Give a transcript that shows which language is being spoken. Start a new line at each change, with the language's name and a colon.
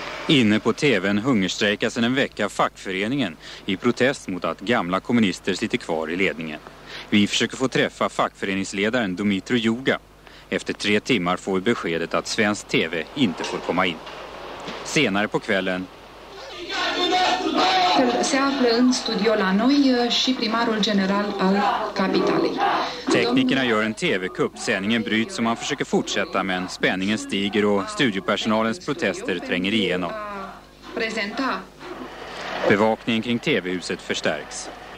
Swedish: Inne på tvn hungerstrejkar sedan en vecka fackföreningen i protest mot att gamla kommunister sitter kvar i ledningen. Vi försöker få träffa fackföreningsledaren Dmytro Yuga. Efter 3 timmar får vi beskedet att svensk tv inte får komma in. Senare på kvällen...
Romanian: Se află în studio la noi și primarul general al Capitalei.
Swedish: Teknikerna gör en tv-kupp. Sändningen bryts och man försöker fortsätta, men spänningen stiger och studiopersonalens protester tränger igenom. Presenta. Bevakningen kring tv-huset förstärks.